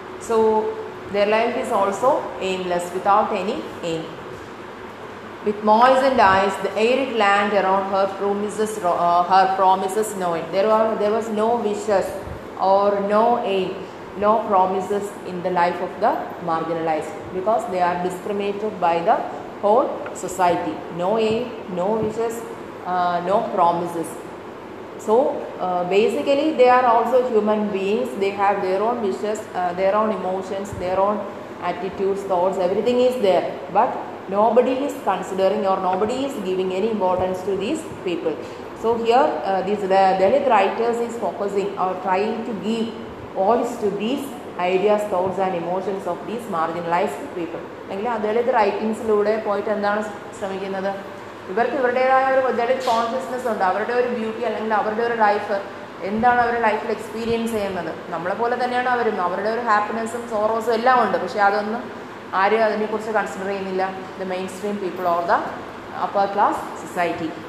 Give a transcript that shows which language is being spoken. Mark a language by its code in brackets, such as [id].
[en] So their life is also aimless without any aim. With moistened eyes, the arid land around her promises her promises no end. There was no wishes or no aim. no promises in the life of the marginalized, because they are discriminated by the whole society. No aim, no wishes, no promises. So basically they are also human beings. They have their own wishes, their own emotions, their own attitudes, thoughts, everything is there, but nobody is considering or nobody is giving any importance to these people. So here the Dalit writers is focusing or trying to give voice to these ideas, thoughts and emotions of these marginalized people. [ml] എങ്കിൽ അതിലെ റൈറ്റിംഗ്സിലൂടെ പോയിട്ട് എന്താണ് ശ്രമിക്കുന്നത്? ഇവർക്ക് ഇവരുടേതായ ഒരു Dalit consciousness ഉണ്ട്. അവരുടെ ഒരു ബ്യൂട്ടി അല്ലെങ്കിൽ അവരുടെ ഒരു ലൈഫ് എന്താണ് അവരുടെ ലൈഫിൽ എക്സ്പീരിയൻസ് ചെയ്യുന്നത്, നമ്മളെ പോലെ തന്നെയാണ് അവരും. അവരുടെ ഒരു ഹാപ്പിനെസ്സും സോറോസും എല്ലാം ഉണ്ട്, പക്ഷേ അതൊന്നും ആരും അതിനെക്കുറിച്ച് കൺസിഡർ ചെയ്യുന്നില്ല, [en] The mainstream people or the upper class society.